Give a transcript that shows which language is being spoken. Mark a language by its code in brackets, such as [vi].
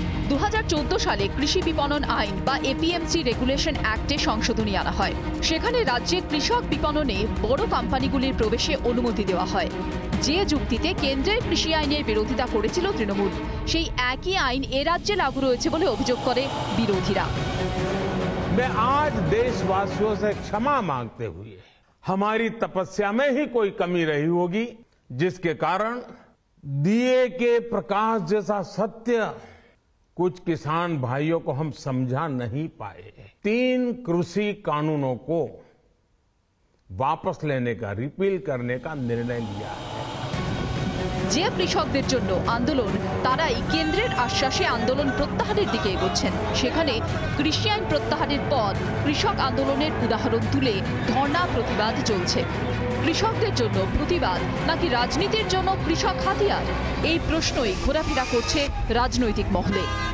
[bn] 2014 সালে কৃষি বিপণন আইন বা এপিএমসি রেগুলেশন অ্যাক্টে সংশোধনী আনা হয়। সেখানে রাজ্যে কৃষক বিপণনে বড় কোম্পানিগুলির প্রবেশে অনুমতি দেওয়া হয়, যে যুক্তিতে কেন্দ্রের কৃষি আইনের বিরোধিতা করেছিল তৃণমূল। সেই একই আইন এ রাজ্যে লাগু রয়েছে বলে অভিযোগ করে বিরোধীরা। [hi] मैं आज देशवासियों से क्षमा मांगते हुए, हमारी तपस्या में ही कोई कमी रही होगी जिसके कारण दिए के प्रकाश जैसा सत्य कुछ किसान भाइयों को हम समझा नहीं पाए। तीन कृषि कानूनों को वापस लेने का, रिपील करने का निर्णय लिया है। [bn] যে কৃষকদের জন্য আন্দোলন, তারাই কেন্দ্রের আশ্বাসে আন্দোলন প্রত্যাহারের দিকে এগোচ্ছেন। সেখানে কৃষি আইন প্রত্যাহারের পর কৃষক আন্দোলনের উদাহরণ তুলে ধর্ণা প্রতিবাদ চলছে। কৃষকদের জন্য প্রতিবাদ নাকি রাজনীতির জন্য কৃষক হাতিয়ার, এই প্রশ্নই ঘোরাফেরা করছে রাজনৈতিক মহলে।